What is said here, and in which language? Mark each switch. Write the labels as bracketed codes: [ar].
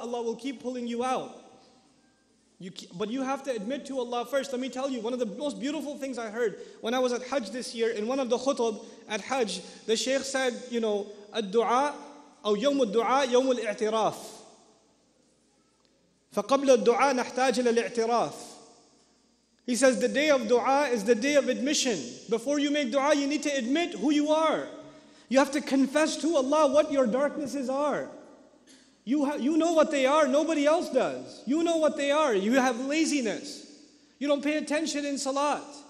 [en] Allah will keep pulling you out. But you have to admit to Allah first. Let me tell you, one of the most beautiful things I heard when I was at Hajj this year, in one of the khutub at Hajj, the Shaykh said, you know, [ar] الدعاء أو يوم الدعاء يوم الاعتراف. فقبل الدعاء نحتاج إلى الاعتراف. [en] He says, the day of dua is the day of admission. Before you make dua, you need to admit who you are. You have to confess to Allah what your darknesses are. You know what they are, nobody else does. You know what they are. You have laziness. You don't pay attention in salat.